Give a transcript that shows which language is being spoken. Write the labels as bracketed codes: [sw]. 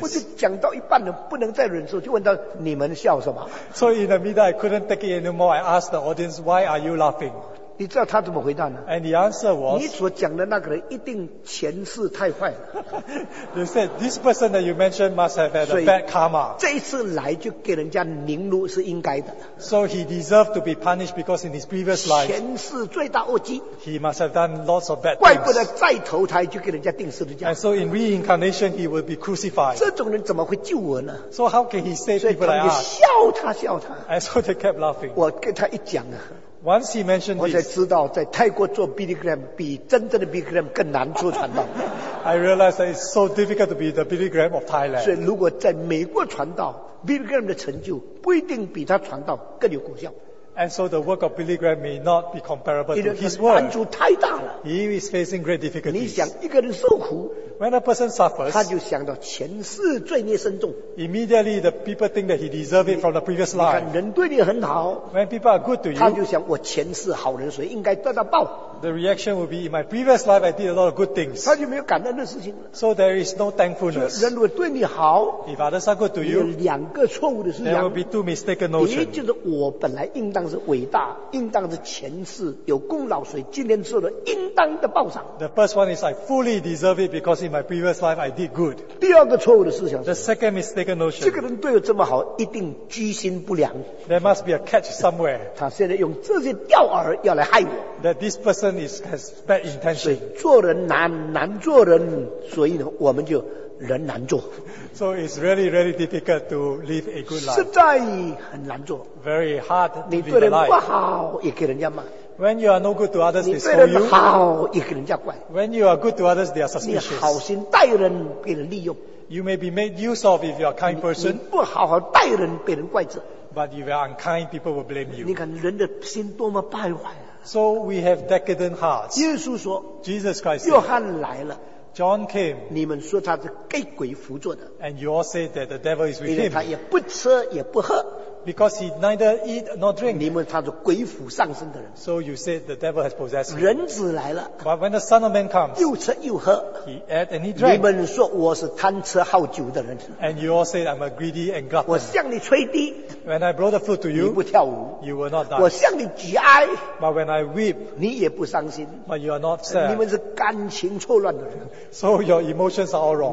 [zh] 我就讲到一半了，不能再忍受，就问他：你们笑什么？ [en] So in the middle, I couldn't take it anymore. I asked the audience, "Why are you laughing?" [zh] 你知道他怎么回答呢？ [en] And the answer was, [zh] 你所讲的那个人一定前世太坏了。 [en] They said, this person that you mentioned must have had a bad karma. [zh] 这一次来就给人家凌辱是应该的。 [en] So he deserved to be punished because in his previous life, [zh] 前世最大恶极。 [en] He must have done lots of bad things. [zh] 怪不得再投胎就给人家钉十字架。 [en] And so in reincarnation, he will be crucified. [zh] 这种人怎么会救我呢？ [en] So how can he save people like us? [zh] 所以他们笑他笑他。 [en] And so they kept laughing. [zh] 我跟他一讲啊。 [en] Once he mentioned this, [zh] 我才知道在泰国做 Billy Graham 比真正的 Billy Graham 更难做传道。 [en] I realized that it's so difficult to be the Billy Graham of Thailand. [zh] 所以如果在美国传道， Billy Graham 的成就不一定比他传道更有功效。 [en] And so the work of Billy Graham may not be comparable to his work. [zh] 难处太大了。 [en] He is facing great difficulties. [zh] 你想一个人受苦， [en] when a person suffers, [zh] 他就想到前世罪孽深重。 [en] Immediately the people think that he deserves it from the previous life. [zh] 你看人对你很好， [en] when people are good to you, [zh] 他就想我前世好人，所以应该得到报。 [en] The reaction will be, in my previous life, I did a lot of good things. [zh] 他就没有感恩的事情了。 [en] So there is no thankfulness. [zh] 人如果对你好， [en] if others are good to you, [zh] 有两个错误的事情。 [en] There will be two mistaken notions. [zh] 一就是我本来应当是伟大，应当是前世有功劳，所以今天受了应当的报偿。 [en] The first one is I fully deserve it because in my previous life I did good. [zh] 第二个错误的思想是 [en] The second mistaken notion. [zh] 这个人对我这么好，一定居心不良。 [en] There must be a catch somewhere. [zh] 他现在用这些钓饵要来害我。 [en] That this person is, has bad intention. [zh] 做人难，难做人，所以呢，我们就人难做。 [en] So it's really, really difficult to live a good life. [zh] 实在很难做。 [en] Very hard to live a good life. [zh] 你对人不好，也给人家骂。 [en] When you are no good to others, they scold you. [zh] 你对人好，也给人家怪。 [en] When you are good to others, they are suspicious. [zh] 你好心待人，被人利用。 [en] You may be made use of if you are a kind person. [zh] 你不好好待人，被人怪责。 [en] But if you are unkind, people will blame you. [zh] 你看人的心多么败坏。 [en] So we have decadent hearts. [zh] 耶稣说， [en] Jesus Christ said, [zh] 约翰来了。 [en] John came. [zh] 你们说他是给鬼附着的。 [en] And you all say that the devil is with him. [zh] 他也不吃也不喝。 [en] Because he neither eat nor drink. [zh] 你们他是鬼附上身的人。 [en] So you say the devil has possessed him. [zh] 人子来了。 [en] But when the Son of Man comes, [zh] 又吃又喝。 [en] He ate and he drank. [zh] 你们说我是贪吃好酒的人。 [en] And you all say I'm a greedy and glutton. [zh] 我向你吹笛。 [en] When I blow the flute to you, [zh] 你不跳舞。 [en] You will not dance. [zh] 我向你举哀。 [en] But when I weep, [zh] 你也不伤心。 [en] But you are not sad. [zh] 你们是感情错乱的人。 [en] So your emotions are all wrong.